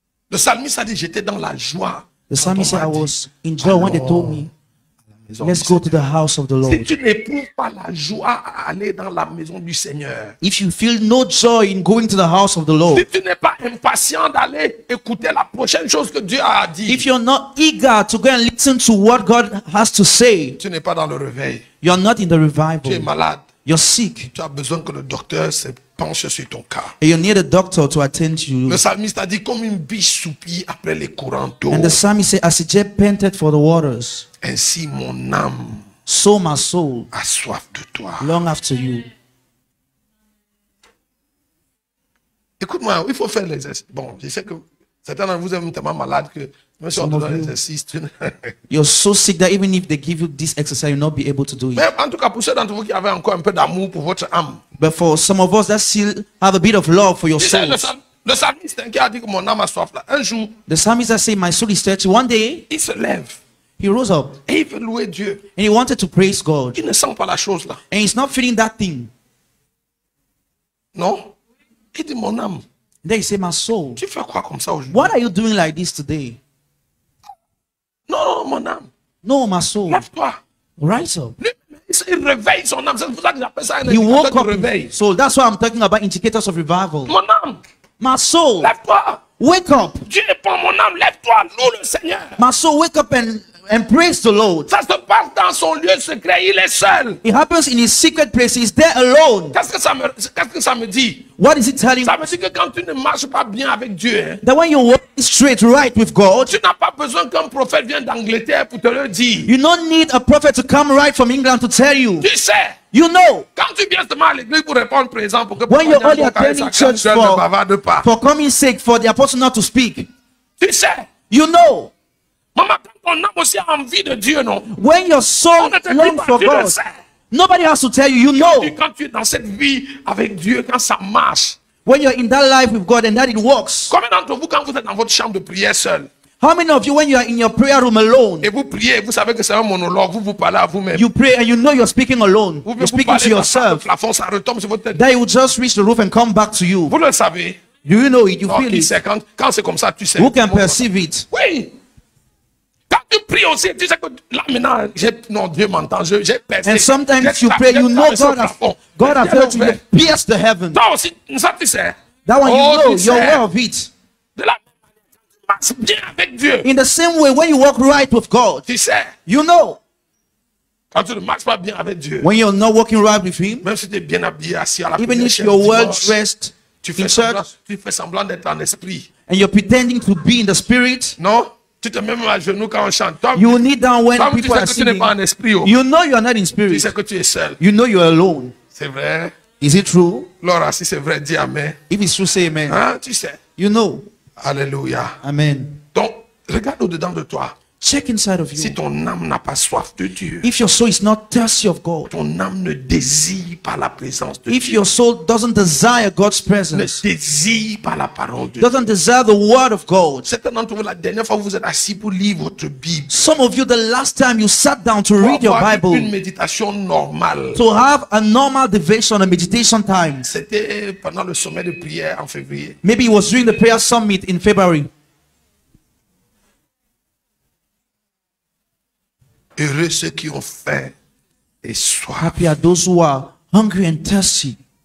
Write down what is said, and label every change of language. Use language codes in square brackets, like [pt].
[fr] Le psalmiste a dit, j'étais dans la joie. [en] The psalmist said, I was in joy when they told me. Let's go to the house of the Lord. [fr] Si tu n'éprouves pas la joie à aller dans la maison du Seigneur. [en] If you feel no joy in going to the house of the Lord. [fr] Si tu n'es pas impatient d'aller écouter la prochaine chose que Dieu a à dire. [en] If you're not eager to go and listen to what God has to say. [fr] Tu n'es pas dans le réveil. [en] You're not in the revival. [fr] Tu es malade. [en] You're sick. [fr] Tu as besoin que le docteur se penche sur ton cas. [en] And you need a doctor to attend to you. [fr] Le psalmiste a dit comme une biche soupire après les courants d'eau. [en] And the psalmist said, as a jet panted for the waters. [fr] Ainsi mon âme [en] so my soul [fr] a soif de toi. [en] Long after you. [fr] Écoute-moi, il faut faire l'exercice. Bon, je sais que certains d'entre vous sont tellement malades que même si on te donne l'exercice, tu [en] you're so sick that even if they give you this exercise, you'll not be able to do it. [fr] Mais en tout cas, pour ceux d'entre vous qui avaient encore un peu d'amour pour votre âme. [en] But for some of us that still have a bit of love for yourself. [fr] Le psalmiste qui a dit que mon âme a soif là. Un jour, [en] the psalmist has said my soul is thirsty. One day, [fr] il se lève. [en] He rose up. [fr] Et il veut louer Dieu. [en] And he wanted to praise God. [fr] Il ne sent pas la chose là. [en] And he's not feeling that thing. [fr] Non. Il dit mon âme. [en] And then he said my soul. [fr] Tu fais quoi comme ça aujourd'hui? [en] What are you doing like this today? [fr] Non, non, mon âme. [en] No, my soul. [fr] Lève-toi. [en] Rise up. [fr] Il réveille son âme. C'est pour ça que j'appelle ça un indicateur de réveil. [en] He woke up. [fr] Réveil. [en] So that's why I'm talking about indicators of revival. [fr] Mon âme. [en] My soul. [fr] Lève-toi. [en] Wake up. [fr] Dieu est pour mon âme. Lève-toi. Loue le Seigneur. [en] My soul, wake up and praise the Lord. [fr] Ça se passe dans son lieu secret. Il est seul. [en] It happens in his secret place. He's there alone. [fr] Qu'est-ce que ça me dit? [en] What is it telling [fr] me? Ça veut dire que quand tu ne marches pas bien avec Dieu, [en] that when you walk straight right with God, [fr] tu n'as pas besoin qu'un prophète vienne d'Angleterre pour te le dire. [en] You don't need a prophet to come right from England to tell you. [fr] Tu sais. [en] You know. [fr] Quand tu viens demain à l'église pour répondre présent pour que [en] when you're only attending church for coming sake for the apostle not to speak. [fr] Tu sais. [en] You know. [fr] Mama, quand ton âme aussi a envie de Dieu, non? [en] When your soul longs for God. Nobody has to tell you, you know. [fr] Quand tu es dans cette vie avec Dieu, quand ça marche. [en] When you're in that life with God and that it works. [fr] Combien d'entre vous quand vous êtes dans votre chambre de prière seul? [en] How many of you when you are in your prayer room alone? [fr] Et vous priez, vous savez que c'est un monologue, vous vous parlez à vous-même. [en] You pray and you know you're speaking alone. You're speaking to yourself. [fr] La force retombe sur votre tête. [en] That it will just reach the roof and come back to you. [fr] Vous le savez? [en] Do you know it? You feel it? [fr] Quand c'est comme ça, tu sais. [en] Who can perceive it? [fr] Oui. Quand tu pries aussi, tu sais que là maintenant, non, Dieu m'entend, j'ai percé. [en] And sometimes you pray, you know God has felt you pierce the heaven. [fr] Toi aussi, ça tu sais. [en] That one you know, you're aware of it. [fr] De la marche bien avec Dieu. [en] In the same way, when you walk right with God, [fr] tu sais. [en] You know. [fr] Quand tu ne marches pas bien avec Dieu. [en] When you're not walking right with Him. [fr] Même si tu es bien habillé, assis à la [en] even if you're well dressed, [fr] tu fais semblant, d'être en esprit. [en] And you're pretending to be in the spirit. [fr] Non. Tu te mets même à genoux quand on chante. [en] You kneel down when people [fr] tu sais [en] are singing. [fr] Tu n'es pas en esprit, oh. [en] You know you are not in spirit. [fr] Tu sais que tu es seul. [en] You know you are alone. [fr] C'est vrai. [en] Is it true? [fr] Laura, si c'est vrai, dis amen. [en] If it's true, say amen. [fr] Hein, tu sais. [en] You know. Alléluia. Amen. [fr] Donc, regarde au-dedans de toi. [en] Check inside of you. [fr] Si ton âme n'a pas soif de Dieu. [en] If your soul is not thirsty of God. [fr] Ton âme ne désire pas la présence de [en] if [fr] Dieu. [en] If your soul doesn't desire God's presence. [fr] Ne désire pas la parole de [en] doesn't Doesn't desire the word of God. [fr] Certains d'entre vous, la dernière fois, vous êtes assis pour lire votre Bible. [en] Some of you, the last time you sat down to [fr] pour [en] read your Bible. [fr] Une méditation normale. [en] To have a normal devotion, a meditation time. [fr] C'était pendant le sommet de prière en février. [en] Maybe it was during the prayer summit in February. [fr] Heureux ceux qui ont faim et soif. [en] Happy are those who are hungry and thirsty.